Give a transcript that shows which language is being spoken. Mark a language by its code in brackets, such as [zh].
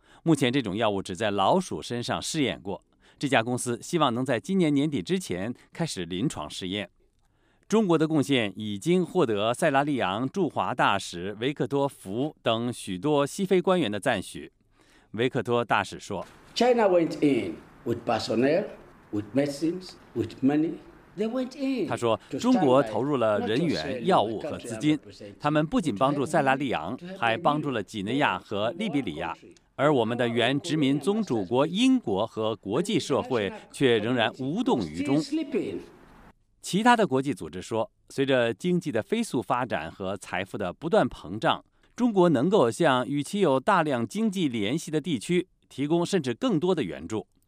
[zh] 目前这种药物只在老鼠身上试验过，这家公司希望能在今年年底之前开始临床试验。中国的贡献已经获得塞拉利昂驻华大使维克多·福等许多西非官员的赞许。维克多大使说 [en] China went in with personnel, with medicines, with money. They went in. [zh] 他说中国投入了人员、药物和资金，他们不仅帮助塞拉利昂，还帮助了几内亚和利比里亚，而我们的原殖民宗主国英国和国际社会却仍然无动于衷。其他的国际组织说，随着经济的飞速发展和财富的不断膨胀，中国能够向与其有大量经济联系的地区提供甚至更多的援助。